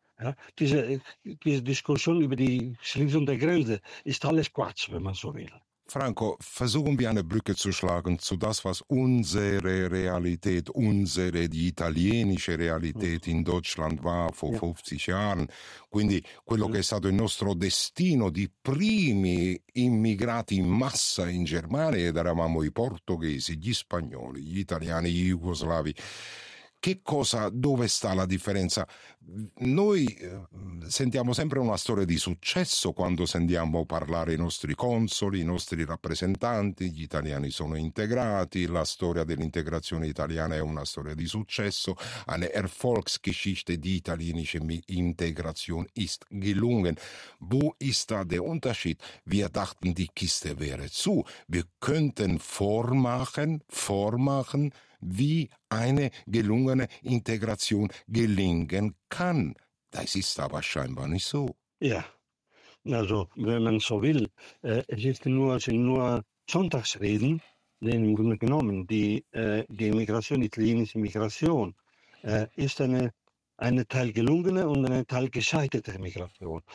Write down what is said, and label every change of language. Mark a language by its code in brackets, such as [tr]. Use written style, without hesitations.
[de] Ja, diese Diskussion über die Schließung der Grenze ist alles Quatsch, wenn man so will. Franco, versuchen wir eine Brücke zu schlagen zu das, was unsere Realität, unsere, die italienische Realität in Deutschland war vor 50 Jahren. [it] Quindi quello che è stato il nostro destino, di primi immigrati in massa in Germania, ed eravamo i portoghesi, gli spagnoli, gli italiani, gli jugoslavi. Che cosa, dove sta la differenza? Noi sentiamo sempre una storia di successo quando sentiamo parlare i nostri consoli, i nostri rappresentanti, gli italiani sono integrati, la storia dell'integrazione italiana è una storia di successo, [de] eine Erfolgsgeschichte, die italienische Integration ist gelungen. Wo ist da der Unterschied? Wir dachten, die Kiste wäre zu. Wir könnten vormachen, wie eine gelungene Integration gelingen kann. Das ist aber scheinbar nicht so. Ja, also wenn man so will, es ist nur, sind nur Sonntagsreden, denn im Grunde genommen die Migration, die italienische Migration, ist eine Teil gelungene und eine Teil gescheiterte Migration.